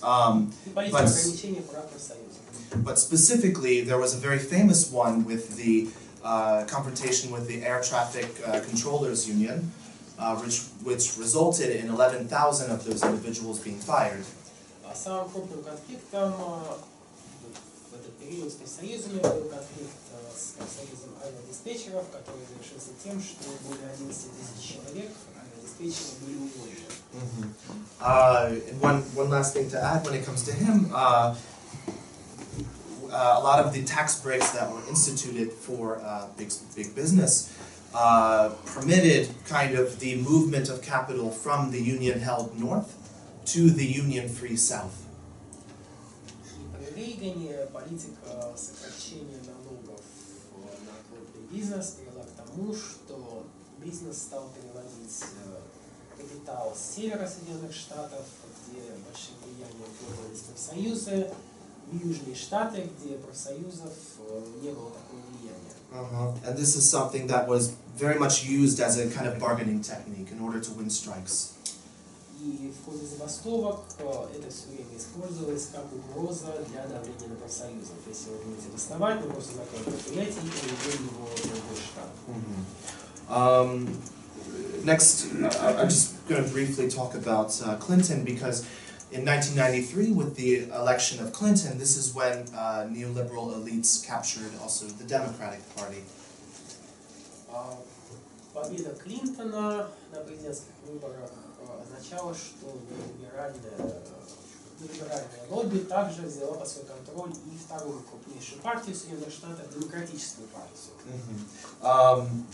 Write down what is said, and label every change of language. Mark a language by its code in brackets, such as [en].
[ru] И политика ограничения прав профсоюзов. [en] But specifically, there was a very famous one with the confrontation with the Air Traffic Controllers Union, which resulted in 11,000 of those individuals being fired. [ru] Самым крупным конфликтом в этот период с профсоюзами был конфликт с профсоюзом авиадиспетчеров, который завершился тем, что более 11 тысяч человек авиадиспетчеров были уволены. Mm-hmm. [en] And one last thing to add when it comes to him, a lot of the tax breaks that were instituted for big business permitted kind of the movement of capital from the union held north to the union free south. [ru] Рейганова политика сокращения налогов на крупный бизнес привела к тому, что бизнес стал переводить капитал с севера Соединенных Штатов, где большим влиянием пользовались профсоюзы, в южные штаты, где профсоюзов не было такого влияния. [en] And this is something that was very much used as a kind of bargaining technique in order to win strikes. [ru] И в ходе забастовок это все время использовалось как угроза для давления на профсоюзы. То есть, если вы будете бастовать, то просто закроем предприятие и переведем его в другой штат. [en] Next, I'm just going to briefly talk about Clinton, because in 1993, with the election of Clinton, this is when neoliberal elites captured also the Democratic Party. [ru] Победа Клинтона на президентских выборах означала, что неолиберальное лобби также взяло под свой контроль и вторую крупнейшую партию в Соединенных Штатах, Демократическую партию.